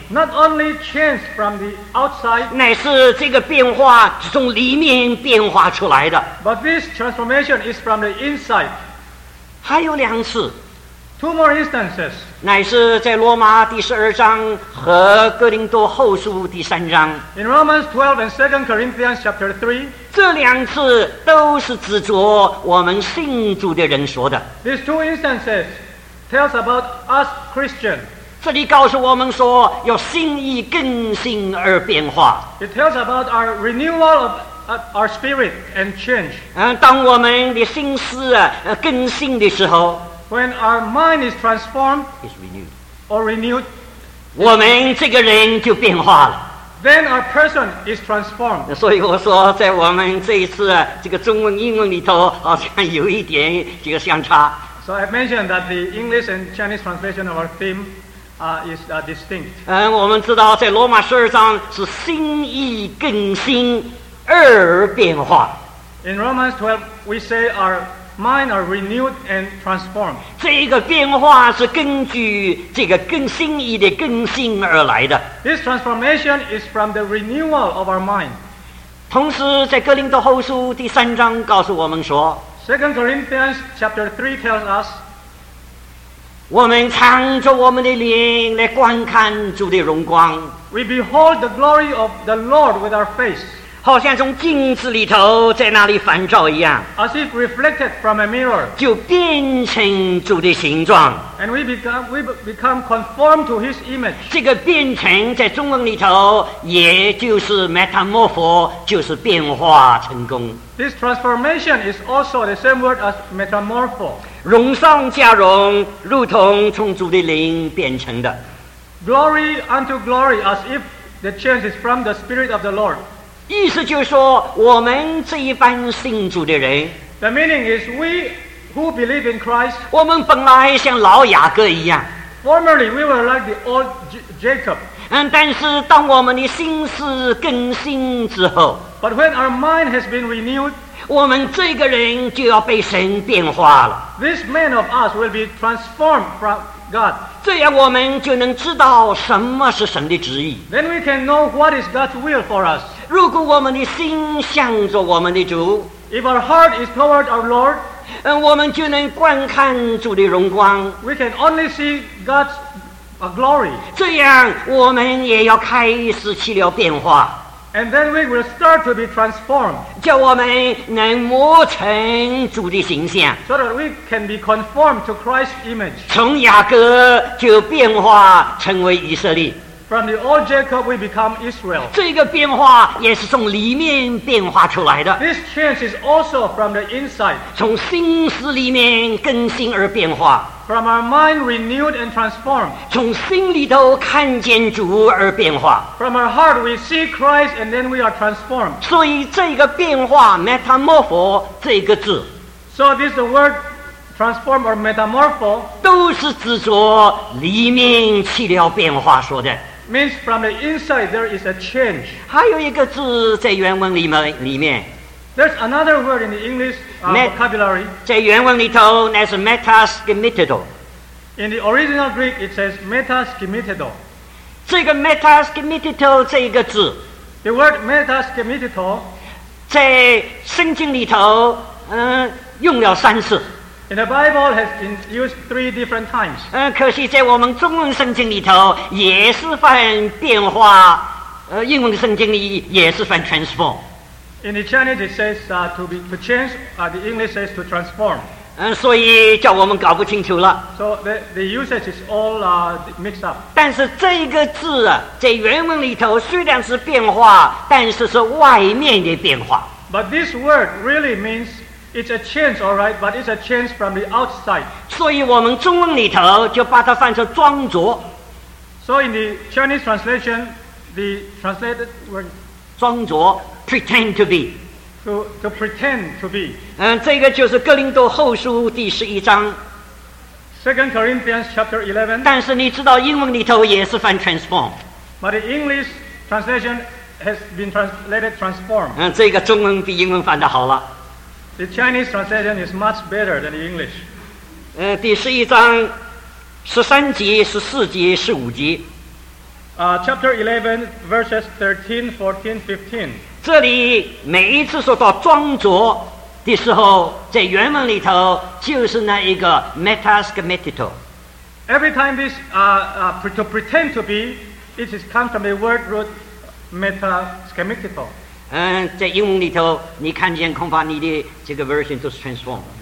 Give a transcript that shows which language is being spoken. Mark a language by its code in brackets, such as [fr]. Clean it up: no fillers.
[en] Not only change from the outside. [zh] 乃是这个变化从里面变化出来的。 [en] But this transformation is from the inside. [zh] 还有两次。 [en] Two more instances. [zh] 乃是在罗马第十二章和哥林多后书第三章。 [en] In Romans 12 and 2 Corinthians chapter 3. [zh] 这两次都是指着我们信主的人说的。 [en] These two instances tell us about us Christian. [zh] 这里告诉我们说要心意更新而变化。 [en] It tells about our renewal of our spirit and change. [zh] 当我们的心思更新的时候。 [en] When our mind is transformed, is renewed, or renewed, [zh] 我们这个人就变化了。 [en] Then our person is transformed. [zh] 所以我说，在我们这一次这个中文英文里头，好像有一点这个相差。 [en] So I mentioned that the English and Chinese translation of our theme, is distinct. [zh] 我们知道在罗马十二章是心意更新而变化。 [en] In Romans 12, we say our mind are renewed and transformed. [zh] 这个变化是根据这个更新意的更新而来的。 [en] This transformation is from the renewal of our mind. [zh] 同时，在哥林多后书第三章告诉我们说 [en] ，Second Corinthians chapter 3 tells us， [zh] 我们敞着我们的脸来观看主的荣光。 [en] We behold the glory of the Lord with our face. [zh] 好像从镜子里头在那里反照一样 [en] As if reflected from a mirror, [zh] 就变成主的形状 [en] And we become conformed to his image [zh] 这个变成在中文里头也就是 metamorpho 就是变化成功 [en] This transformation is also the same word as metamorpho [zh] 荣上加荣如同从主的灵变成的 [en] Glory unto glory as if the change is from the spirit of the Lord [zh] 意思就是说我们这一般信主的人 [en] The meaning is we who believe in Christ [zh] 我们本来像老雅各一样 [en] Formerly we were like the old Jacob [zh] 但是当我们的心思更新之后 [en] But when our mind has been renewed [zh] 我们这个人就要被神变化了 [en] This man of us will be transformed from God [zh] 这样我们就能知道什么是神的旨意 [en] Then we can know what is God's will for us [zh] 如果我们的心向着我们的主 [en] If our heart is toward our Lord [zh] 我们就能观看主的荣光 [en] We can only see God's glory [zh] 这样我们也要开始起了变化 [en] And then we will start to be transformed [zh] 叫我们能磨成主的形象 [en] So that we can be conformed to Christ's image [zh] 从雅各就变化成为以色列 [en] From the old Jacob, we become Israel. [zh] 这个变化也是从里面变化出来的。 [en] This change is also from the inside. [zh] 从心思里面更新而变化。 [en] From our mind renewed and transformed. [zh] 从心里头看见主而变化。 [en] From our heart we see Christ and then we are transformed. [zh] 所以这个变化 metamorpho 这个字。 [en] So this is the word transform or metamorpho. [zh] 都是指着里面起了变化说的。 [en] Means from the inside there is a change. [zh] 还有一个字在原文里面。 [en] There's another word in the English vocabulary. [zh] 在原文里头乃是 metaskimitado. [en] In the original Greek it says metaskimitado. [zh] 这个 metaskimitado 这一个字。 [en] The word metaskimitado [zh] 在圣经里头用了三次。 [en] In the Bible has been used three different times. [zh] 可惜在我们中文圣经里头也是犯变化英文圣经里也是犯 transform. [en] In the Chinese it says to change, the English says to transform. [zh] 所以叫我们搞不清楚了。 [en] So the usage is all mixed up. [zh] 但是这个字在原文里头虽然是变化但是是外面的变化。 [en] But this word really means It's a change, all right, but it's a change from the outside. [zh] 所以我们中文里头就把它翻成装着。 [en] So in the Chinese translation, the translated word 装着 pretend to be. To pretend to be. [zh] 这个就是哥林多后书第十一章。 [en] Second Corinthians chapter 11. [zh] 但是你知道英文里头也是翻 transform. [en] But the English translation has been translated transform. [zh] 这个中文比英文翻得好了。 [en] The Chinese translation is much better than the English. [zh] 第十一章十三节、十四节、十五节。 [en] Chapter 11, verses 13, 14, 15. [zh] 这里每一次说到装着的时候，在原文里头就是那一个 metaskimitado。 [en] Every time this to pretend to be, it is come from the word root meta schematical. [zh] 在英文里头，你看见恐怕你的这个 version 都是 transformed。